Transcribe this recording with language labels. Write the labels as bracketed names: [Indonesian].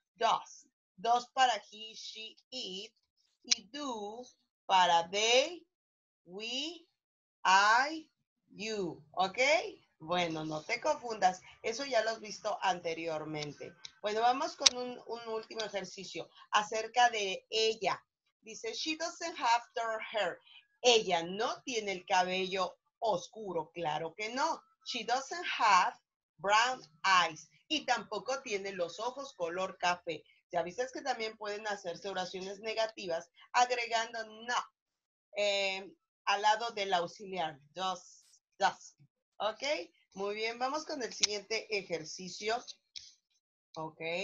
[Spanish] Does. Does para he, she, it. Y do para they, we, I, you. ¿Ok? Bueno, no te confundas. Eso ya lo has visto anteriormente. Bueno, vamos con un último ejercicio acerca de ella. [English] Dice, she doesn't have dark hair. [Spanish] Ella no tiene el cabello oscuro. Claro que no. [English] She doesn't have brown eyes. [Spanish] Y tampoco tiene los ojos color café. Ya viste que también pueden hacerse oraciones negativas agregando no al lado del auxiliar. Does. ¿Ok? Muy bien. Vamos con el siguiente ejercicio. ¿Ok?